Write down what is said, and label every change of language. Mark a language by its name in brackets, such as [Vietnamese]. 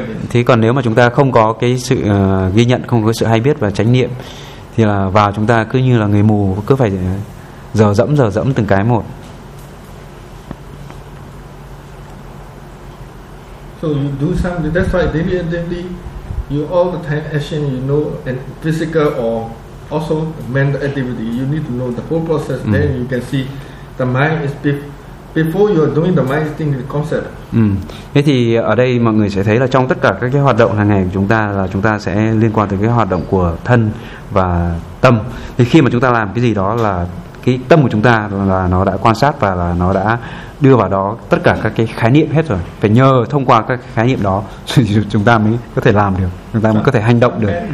[Vietnamese] Thế còn nếu mà chúng ta không có cái sự ghi nhận, không có sự hay biết và chánh niệm, thì là vào chúng ta cứ như là người mù, cứ phải dở dẫm từng cái một. [English] So you do something, that's why daily, you all the time action, you know, and physical or also mental activity, you need to know the whole process. Then you can see the mind is before you are doing the mind thing, the concept. [Vietnamese] Thế thì ở đây mọi người sẽ thấy là trong tất cả các cái hoạt động hàng ngày của chúng ta, là chúng ta sẽ liên quan tới cái hoạt động của thân và tâm. Thì khi mà chúng ta làm cái gì đó là cái tâm của chúng ta là nó đã quan sát và là nó đã đưa vào đó tất cả các cái khái niệm hết rồi. Phải nhờ thông qua các khái niệm đó thì chúng ta mới có thể làm được, chúng ta mới có thể hành động được.